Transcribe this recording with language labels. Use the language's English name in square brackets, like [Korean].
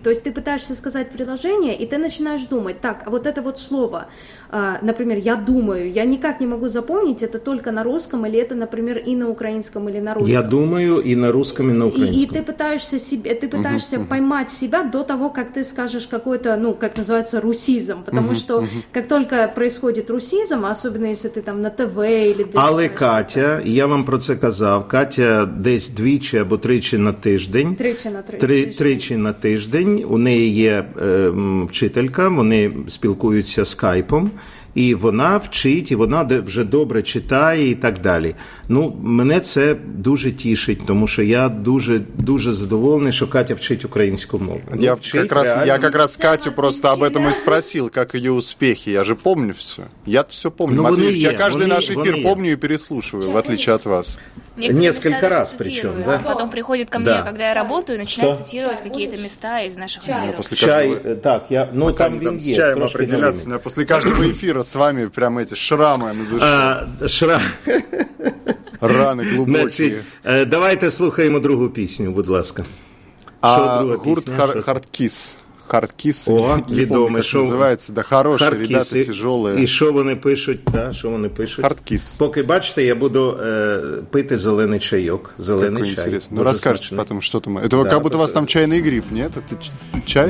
[Russian] То есть ты пытаешься сказать предложение, и ты начинаешь думать, так, а вот это вот слово, например, «я думаю», я никак не могу запомнить, это только на русском, или это, например, и на украинском, или на русском. «Я думаю» и на русском, и на украинском. И ты пытаешься, поймать себя до того, как ты скажешь какой-то, ну, как называется, русизм, потому что как только происходит русизм, особенно если ты там на ТВ или... [Ukrainian] Але Катя, я вам про це казав, Катя десь двічі або тричі на тиждень. Тричі на тиждень. У неї є вчителька, вони спілкуються скайпом, і вона вчить, і вона вже добре читає і так далі. Ну, мене це дуже тішить, тому що я дуже, дуже задоволений, що Катя вчить українську мову. Я якраз Катю просто [Russian] об этом [Ukrainian] і спросив, як її успіхи. [Russian] Я же помню все. Я все помню. [Ukrainian] Матвій, я кожен наш ефір помню і переслушую, [Russian] в отличие от вас. Некоторые несколько раз причем, да? А потом приходит ко мне, когда я работаю, начинает цитировать какие-то места из наших эфиров. Чай, так, я, ну пока там винги. С чаем определяться, у меня после каждого эфира с вами прям эти шрамы на душе. Раны глубокие. Значит, давайте слушаем другую песню, [Ukrainian] будь ласка. Гурт Хардкіс. Хардкіс. О, відомий, що називається, да, хороші, ребята, тяжелі. І що вони пишуть, да, що вони пишуть? Хардкіс. Поки бачите, я буду пити зелений чайок, зелений чай. Інтересно. Ну, розкажіть потім, що там. Це да, як будто у вас там чайний гриб, ні? Це чай,